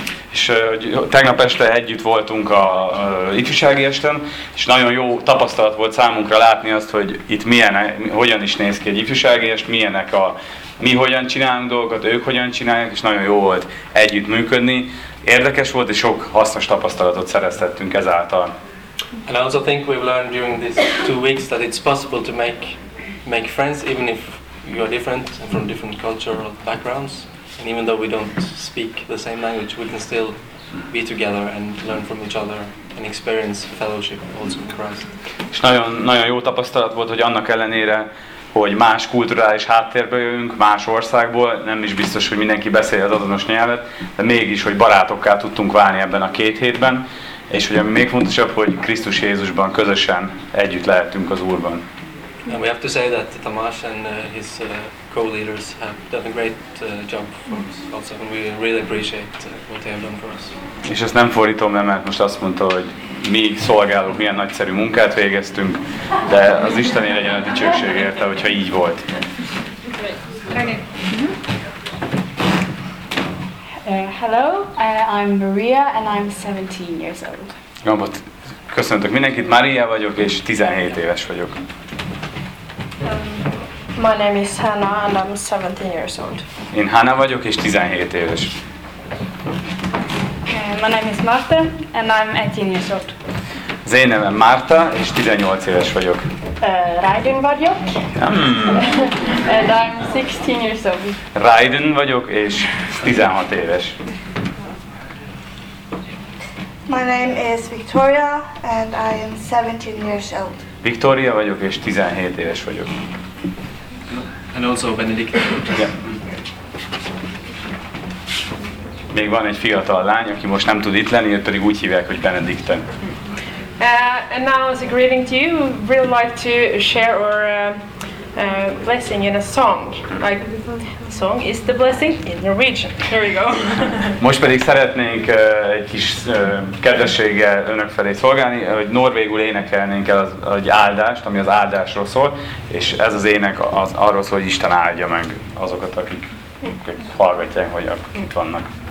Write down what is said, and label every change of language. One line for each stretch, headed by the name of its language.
Hungarian: És tegnap este együtt voltunk a ifjúsági esten, és nagyon jó tapasztalat volt számunkra látni azt, hogy itt hogyan is néz ki egy ifjúsági est, milyenek a mi hogyan csinálunk dolgokat, ők hogyan csinálják, és nagyon jó volt együtt működni. Érdekes volt, és sok hasznos tapasztalatot szereztettünk ezáltal.
English: And I also think we've learned during these 2 weeks that it's possible to make friends even if you are different from different cultural backgrounds. And even though we don't speak the same language, we can still be together and learn from each other and experience fellowship also in Christ.
Hungarian: És nagyon, nagyon jó tapasztalat volt, hogy annak ellenére, hogy más kulturális háttérből jövünk, más országból, nem is biztos, hogy mindenki beszél az azonos nyelvet, de mégis, hogy barátokká tudtunk válni ebben a 2 hétben, és hogy ami még fontosabb, hogy Krisztus Jézusban közösen együtt lehettünk az Úrban.
English: And we have to say that Tamás and his co-leaders have done a great job for us also, and we really appreciate what they have done for us.
Hungarian: És ezt nem fordítom, mert most azt mondta, hogy mi szolgálók milyen nagyszerű munkát végeztünk, de az Istené legyen a dicsőség érte, hogyha így volt.
English: Hello, I'm Maria and I'm 17 years old.
Hungarian: Köszöntök mindenkit, Maria vagyok és 17 éves vagyok.
English: Hello, My name is Hannah and I'm 17 years old.
Hungarian: Én Hannah vagyok és 17 éves.
English: My name is Marta and I'm 18 years old.
Hungarian: Az én nevem Marta és 18 éves vagyok. Raiden vagyok.
English: And I'm 16 years old.
Hungarian: Raiden vagyok és 16 éves.
English: My name is Victoria and I am 17 years old.
Hungarian: Victoria vagyok és 17 éves vagyok.
English: And also Benedict. Yeah.
Hungarian: Még van egy fiatal lány, aki most nem tud itt lenni, őt pedig úgy hívják, hogy Benedict.
English: And now as a greeting to you, we'd really like to share our blessing in a song. Like, the song is the blessing in Norwegian. Here we go.
Hungarian: Most pedig szeretnénk egy kis kedvességgel önök felé szolgálni, hogy norvégul énekelnénk el egy áldást, ami az áldásról szól, és ez az ének az arról szól, hogy Isten áldja meg azokat, akik hallgatják, hogy itt vannak.